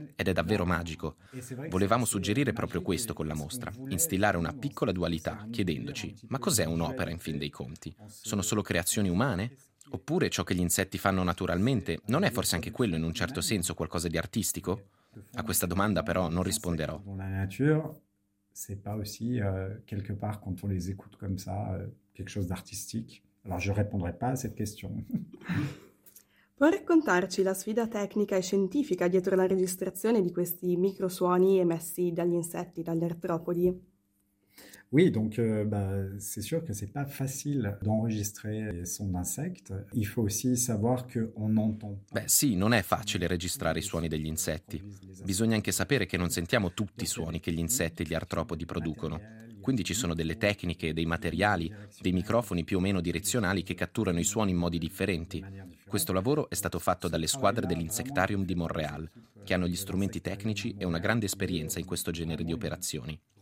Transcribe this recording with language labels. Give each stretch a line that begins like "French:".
Italian: Ed è davvero magico. Volevamo suggerire proprio questo con la mostra, instillare una piccola dualità, chiedendoci, ma cos'è un'opera in fin dei conti? Sono solo creazioni umane? Oppure ciò che gli insetti fanno naturalmente non è forse anche quello in un certo senso qualcosa di artistico? A questa domanda però non risponderò.
French: La natura c'est pas aussi quelque part quand on les écoute comme ça quelque chose d'artistique. Alors je répondrai pas à cette question.
Italian: Può raccontarci la sfida tecnica e scientifica dietro la registrazione di questi microsuoni emessi dagli insetti, dagli artropodi?
French: Oui, donc c'est sûr que c'est pas facile d'enregistrer les sons d'insectes. Il faut aussi savoir que on entend.
Italian: Beh, sì, non è facile registrare i suoni degli insetti. Bisogna anche sapere che non sentiamo tutti i suoni che gli insetti e gli artropodi producono. Quindi ci sono delle tecniche, dei materiali, dei microfoni più o meno direzionali che catturano i suoni in modi differenti. Questo lavoro è stato fatto dalle squadre dell'Insectarium di Montréal, che hanno gli strumenti tecnici e una grande esperienza in questo genere di operazioni.